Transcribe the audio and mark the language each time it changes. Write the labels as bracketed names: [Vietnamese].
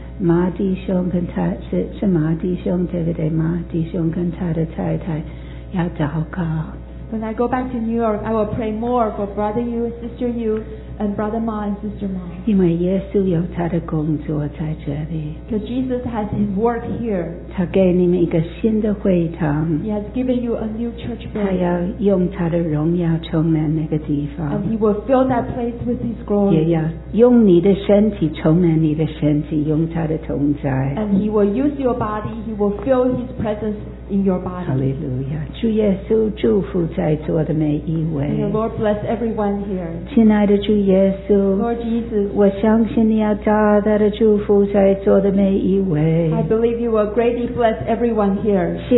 [Chinese] 马弟兄跟他太太要祷告。 [English] When I go back to New York, I will pray more for Brother Yu, Sister Yu, and Brother Ma and Sister Ma. [Chinese] 因为耶稣有他的工作在这里。 [English] Because Jesus has his work here. [Chinese] 他给你们一个新的会堂。 [English] He has given you a new church building. [Chinese] 他要用他的荣耀充满那个地方。 [English] And he will fill that place with his glory. [Chinese] 也要用你的身体充满你的身体，用他的同在。 [English] And he will use your body, he will fill his presence in your body. Hallelujah. [Chinese] 主耶稣祝福在座的每一位。 [English] May the Lord bless everyone here. [Chinese] 亲爱的主耶稣, [English] Lord Jesus, [Chinese] 我相信你要大大的祝福在座的每一位。 [English] I believe you will greatly bless everyone here.